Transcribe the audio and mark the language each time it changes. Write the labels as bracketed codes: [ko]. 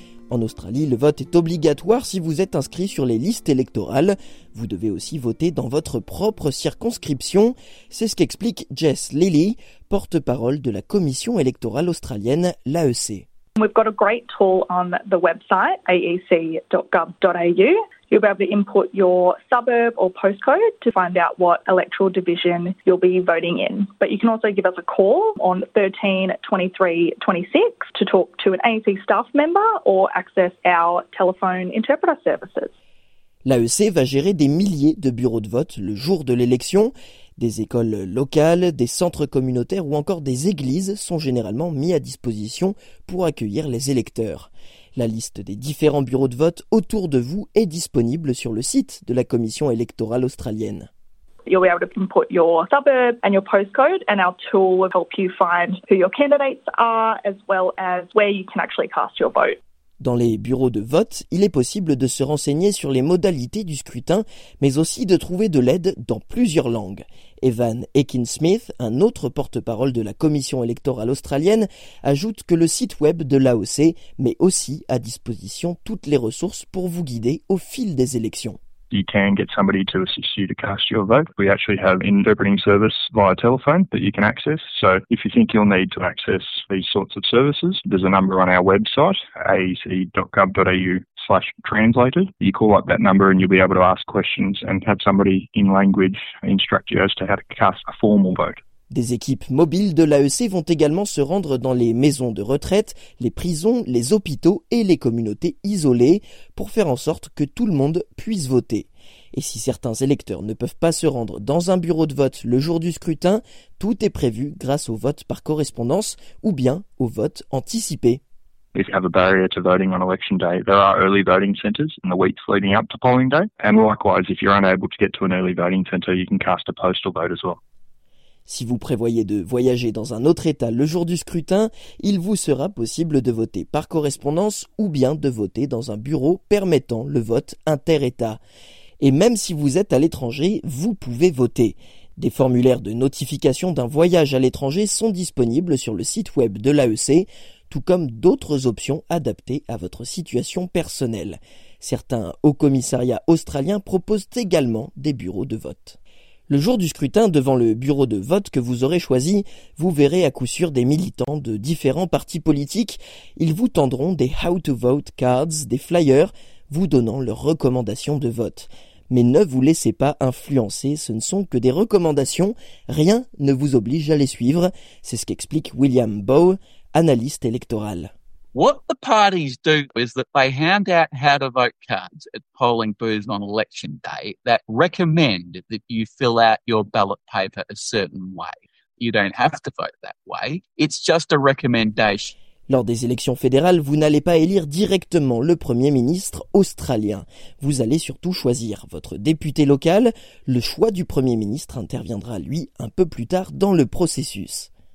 [fr] En Australie, le vote est obligatoire si vous êtes inscrit sur les listes électorales. Vous devez aussi voter dans votre propre circonscription. C'est ce qu'explique Jess Lilly, porte-parole de la commission électorale australienne, l'AEC. [en] We've got a great tool on the website, aec.gov.au. You'll be able to input your suburb or postcode to find out what electoral division you'll be voting in. But you can also give us a call on 13 23 26 to talk to an AEC staff member or access our telephone interpreter services. [fr] L'AEC va gérer des milliers de bureaux de vote le jour de l'élection. Des écoles locales, des centres communautaires ou encore des églises sont généralement mis à disposition pour accueillir les électeurs. La liste des différents bureaux de vote autour de vous est disponible sur le site de la Commission électorale australienne. [en] You'll be able to input your suburb and your postcode, and our tool will help you find who your candidates are, as well as where you can actually cast your vote. [fr] Dans les bureaux de vote, il est possible de se renseigner sur les modalités du scrutin, mais aussi de trouver de l'aide dans plusieurs langues. Evan Akin-Smith, un autre porte-parole de la Commission électorale australienne, ajoute que le site web de l'AOC met aussi à disposition toutes les ressources pour vous guider au fil des élections. [en] You can get somebody to assist you to cast your vote. We actually have interpreting service via telephone that you can access. So if you think you'll need to access these sorts of services, there's a number on our website, aec.gov.au/translated. You call up that number and you'll be able to ask questions and have somebody in language instruct you as to how to cast a formal vote. [fr] Des équipes mobiles de l'AEC vont également se rendre dans les maisons de retraite, les prisons, les hôpitaux et les communautés isolées pour faire en sorte que tout le monde puisse voter. Et si certains électeurs ne peuvent pas se rendre dans un bureau de vote le jour du scrutin, tout est prévu grâce au vote par correspondance ou bien au vote anticipé. [en] If you have a barrier to voting on election day, there are early voting centres in the weeks leading up to polling day. And likewise, if you're unable to get to an early voting centre, you can cast a postal vote as well. [fr] Si vous prévoyez de voyager dans un autre état le jour du scrutin, il vous sera possible de voter par correspondance ou bien de voter dans un bureau permettant le vote inter-état. Et même si vous êtes à l'étranger, vous pouvez voter. Des formulaires de notification d'un voyage à l'étranger sont disponibles sur le site web de l'AEC, tout comme d'autres options adaptées à votre situation personnelle. Certains hauts commissariats australiens proposent également des bureaux de vote. Le jour du scrutin, devant le bureau de vote que vous aurez choisi, vous verrez à coup sûr des militants de différents partis politiques. Ils vous tendront des « [en] How to vote [fr] » cards, des flyers, vous donnant leurs recommandations de vote. Mais ne vous laissez pas influencer, ce ne sont que des recommandations, rien ne vous oblige à les suivre. C'est ce qu'explique William Bow, analyste électoral. [en] What the parties do is that they hand out how to vote cards at polling booths on election day that recommend that you fill out your ballot paper a certain way. You don't have to vote that way. It's just a recommendation. [fr] Lors des élections fédérales, vous n'allez pas élire directement le Premier ministre australien. Vous allez surtout choisir votre député local. Le choix du Premier ministre interviendra, lui, un peu plus tard dans le processus.